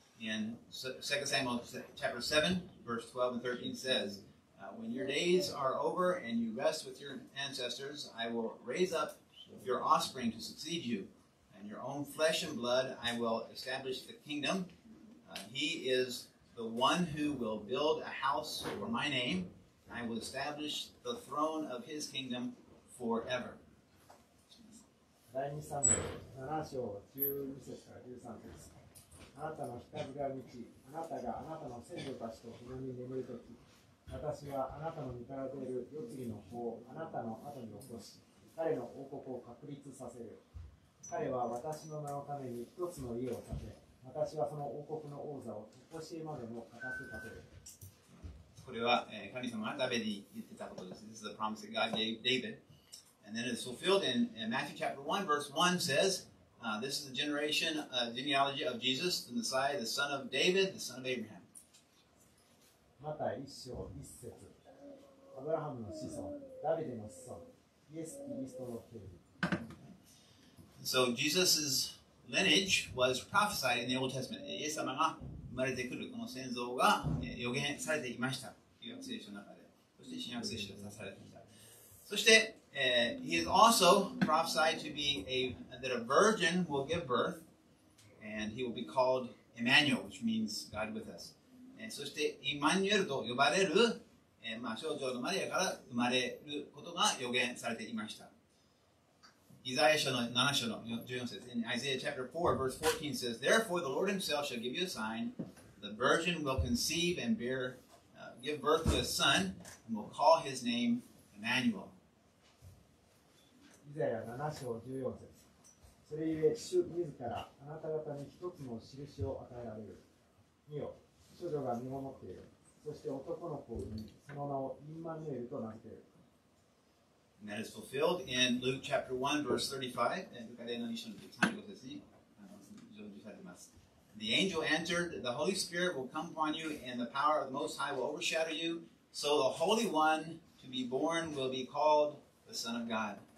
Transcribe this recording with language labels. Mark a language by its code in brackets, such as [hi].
[en] And 2 Samuel chapter 7, verse 12 and 13 says,When your days are over and you rest with your ancestors, I will raise up your offspring to succeed you, and your own flesh and blood I will establish the kingdom. He is the one who will build a house for my name. I will establish the throne of his kingdom forever. [ja] 第2サムエル7章12節から13節。あなたの光が満ち、あなたがあなたの先祖たちと共に眠るとき、私はあなたの身から出る世継ぎの子をあなたの後に起こし、彼の王国を確立させる。彼は私の名のために一つの家を建て、私はその王国の王座を常しえまでも固く立てる。これは神様がダビデに言ってたことです。 [en] This is the promise that God gave David. And then it's fulfilled in Matthew chapter 1, verse 1 says, this is the generation, genealogy of Jesus, the Messiah, the son of David, the son of Abraham. [ja] また一章一節アブラハムの子孫ダビデの子孫イエス・キリストの系図 [en] So Jesus' lineage was prophesied in the Old Testament. [ja] イエス様が生まれてくるこの先祖が予言されていました旧約聖書の中でそして新約聖書で指されていたそして、 [en] He is also prophesied to be that a virgin will give birth and he will be called Emmanuel which means God with us [ja] そして、イマニュエルと呼ばれる、少女のマリアから生まれることが予言されていました。イザヤ書の7章の14節、 [en] In Isaiah chapter 4, verse 14 says, Therefore the Lord himself shall give you a sign, the virgin will conceive and bear, give birth to a son, and will call his name Emmanuel. [ja] イザヤ7章14節。それゆえ、主自らあなた方に一つの印を与えられる。見よ、少女が身をもっている。そして男の子にその名をインマヌエルと名付ける。 [en] And that is fulfilled in Luke chapter 1, verse 35. And Luke 1, verse 35. This is what it says. The angel answered, the Holy Spirit will come upon you, and the power of the Most High will overshadow you. So the Holy One to be born will be called the Son of God.